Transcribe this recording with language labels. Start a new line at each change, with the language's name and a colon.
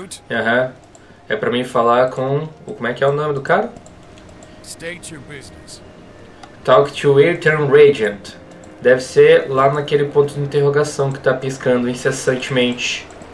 Portuguese: Aham. É pra mim falar com. Como é que é o nome do cara?
English: State your business. Talk to Eternal Regent.
Portuguese: Deve ser lá naquele ponto de interrogação que tá piscando incessantemente.